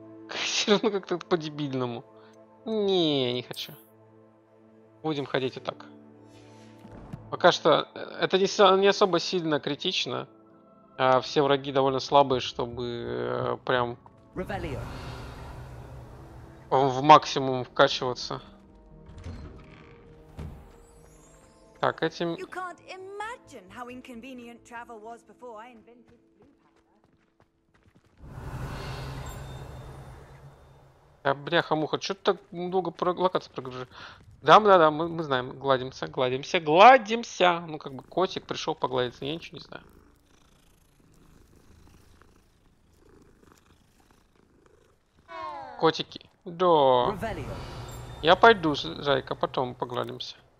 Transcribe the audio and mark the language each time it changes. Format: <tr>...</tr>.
<ru>Все равно как-то по-дебильному. Не, не хочу. Будем ходить и так. Пока что это не особо сильно критично. Все враги довольно слабые, чтобы прям в максимум вкачиваться. Так, этим...</ru> <en>You can't imagine how inconvenient travel was before I invented blue powder.</en> <ru>Бляха-муха, что-то так долго про локацию прогружаю. Да-да-да, мы знаем, гладимся, гладимся, гладимся! Ну, как бы котик пришел погладиться, я ничего не знаю. Котики. Да. Я пойду, зайка, потом погладимся.</ru>